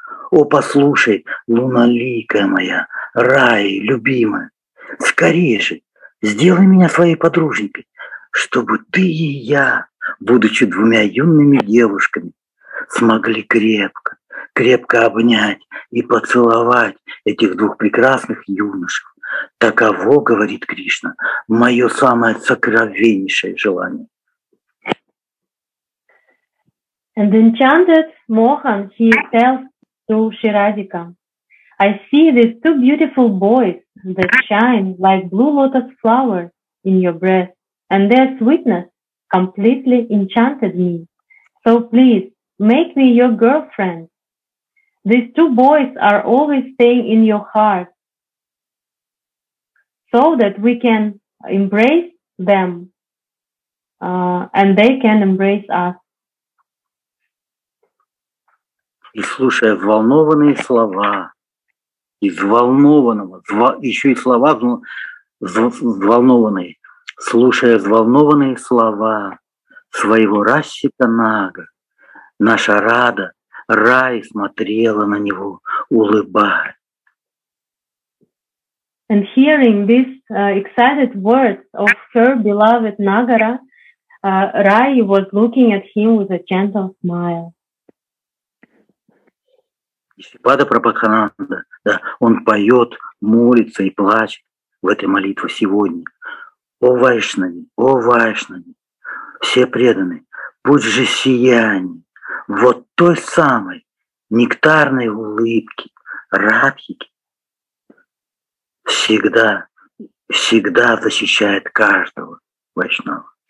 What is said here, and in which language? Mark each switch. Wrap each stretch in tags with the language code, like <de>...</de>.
<ru>О, послушай, луналикая моя, рай, любимая, скорее же, сделай меня своей подруженькой, чтобы ты и я, будучи двумя юными девушками, смогли крепко, крепко обнять и поцеловать этих двух прекрасных юношек. Таково, говорит Кришна, мое самое сокровеннейшее желание.</ru> <en>And enchanted Mohan, he tells to Shri Radhika, I see these two beautiful boys that shine like blue lotus flowers in your breath, and their sweetness completely enchanted me. So please, make me your girlfriend. These two boys are always staying in your heart, so that we can embrace them, and they can embrace us.</en> <ru>И слушая взволнованные слова, слушая взволнованные слова своего Расчитанага, наша Рада, рай, смотрела на него, улыбаясь.</ru> <en>And hearing these excited words of her beloved Nagara, Rai was looking at him with a gentle smile.</en> <ru>И Шипада Прабхакананда, да, он поет, молится и плачет в этой молитве сегодня. О Вайшнави, все преданные, будь же сияние вот той самой нектарной улыбки, Радхики, всегда, всегда защищает каждого Вайшнава.</ru>